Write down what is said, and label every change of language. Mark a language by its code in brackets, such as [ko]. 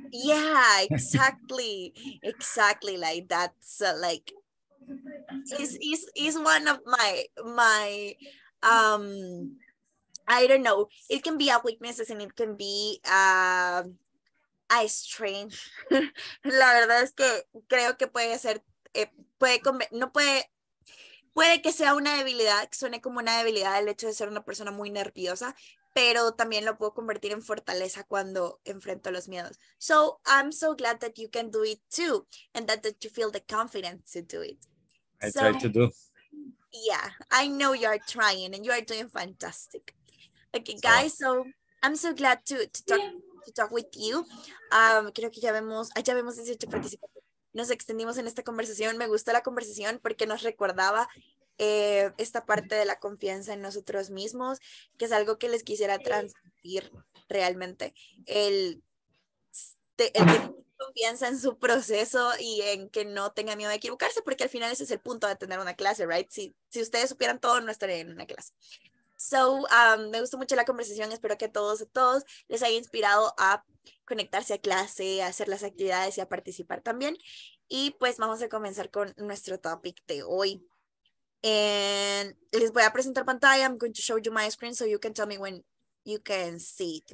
[en] Yeah, exactly. Exactly like that. So like is one of my I don't know, it can be a weakness and it can be I strange. [es] La verdad es que creo que puede ser, puede que sea una debilidad, que suene como una debilidad el hecho de ser una persona muy nerviosa, pero también lo puedo convertir en fortaleza cuando enfrento los miedos. [en] So I'm so glad that you can do it too, and that you feel the confidence to do it. I try to do. Yeah, I know you are trying and you are doing fantastic. Okay, guys, so I'm so glad to talk with you. [es] Creo que ya vemos 18 participantes. Nos extendimos en esta conversación. Me gustó la conversación porque nos recordaba esta parte de la confianza en nosotros mismos, que es algo que les quisiera transmitir realmente. El tener confianza en su proceso y en que no tenga miedo de equivocarse, porque al final ese es el punto de tener una clase, right? Si ustedes supieran todo, no estarían en una clase. So, me gustó mucho la conversación. Espero que a todos les haya inspirado a conectarse a clase, a hacer las actividades y a participar también. Y pues vamos a comenzar con nuestro topic de hoy. [en] And [es] les voy a presentar pantalla. [en] I'm going to show you my screen so you can tell me when you can see it.